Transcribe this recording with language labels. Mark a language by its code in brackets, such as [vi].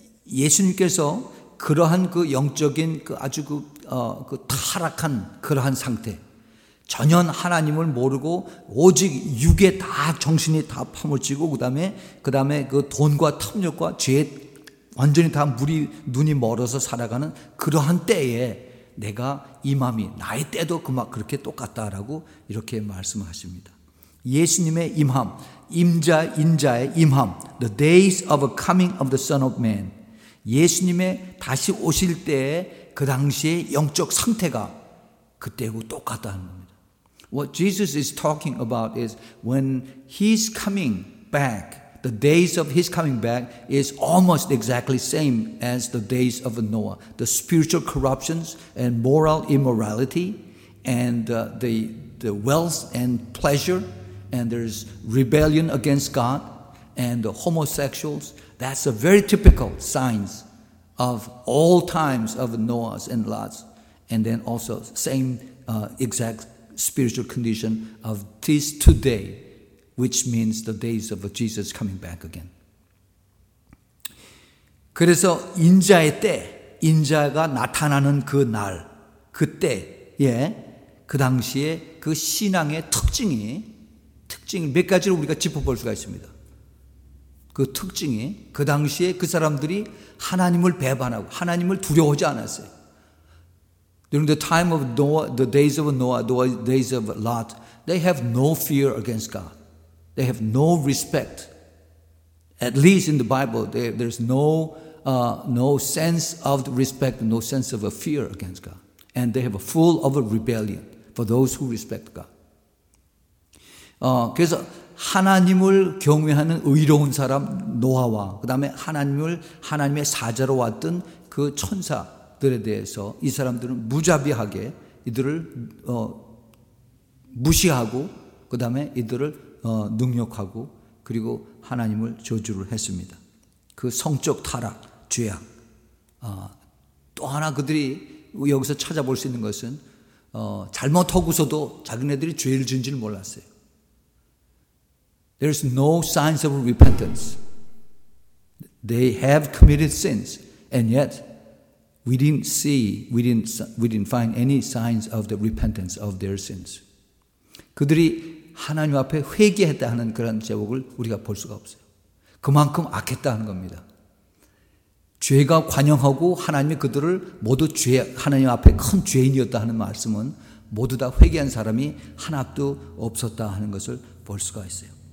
[ko] 예수님께서 그러한 그 영적인 그 아주 그 타락한 그러한 상태 전혀 하나님을 모르고 오직 육에 다 정신이 다 파묻히고 그다음에 그 돈과 탐욕과 죄 완전히 다 눈이 멀어서 살아가는 그러한 때에 내가 이 마음이 나의 때도 그만 그렇게 똑같다라고 이렇게 말씀하십니다. 예수님의 임함, 인자의 임함, [en] the days of a coming of the Son of Man. [ko] 예수님의 다시 오실 때에 그 당시의 영적 상태가 그때하고 똑같다는 겁니다. [en] What Jesus is talking about is when he's coming back, the days of his coming back is almost exactly same as the days of Noah. The spiritual corruptions and moral immorality and the wealth and pleasure and there's rebellion against God and the homosexuals, that's a very typical signs of all times of Noah's and Lot's, and then also same exact spiritual condition of this today, which means the days of Jesus coming back again. [ko] 그래서 인자의 때, 인자가 나타나는 그 날, 그때에 그 당시에 그 신앙의 특징 몇 가지를 우리가 짚어볼 수가 있습니다. 그 특징이 그 당시에 그 사람들이 하나님을 배반하고 하나님을 두려워하지 않았어요. [en] During the time of Noah, the days of Noah, the days of Lot, they have no fear against God. They have no respect. At least in the Bible, there's no sense of respect, no sense of a fear against God. And they have a full of a rebellion for those who respect God. [ko] 그래서 하나님을 경외하는 의로운 사람 노아와 그 다음에 하나님의 사자로 왔던 그 천사들에 대해서 이 사람들은 무자비하게 이들을 무시하고 그 다음에 이들을 능욕하고 그리고 하나님을 저주를 했습니다. 그 성적 타락, 죄악. 또 하나 그들이 여기서 찾아볼 수 있는 것은 잘못하고서도 자기네들이 죄를 지은 줄 몰랐어요. [en] There is no signs of repentance. They have committed sins, and yet we didn't find any signs of the repentance of their sins. [ko] 그들이 하나님 앞에 회개했다 하는 그런 제목을 우리가 볼 수가 없어요. 그만큼 악했다 하는 겁니다. 죄가 관영하고 하나님이 그들을 모두 죄, 하나님 앞에 큰 죄인이었다 하는 말씀은 모두 다 회개한 사람이 하나도 없었다 하는 것을 볼 수가 있어요.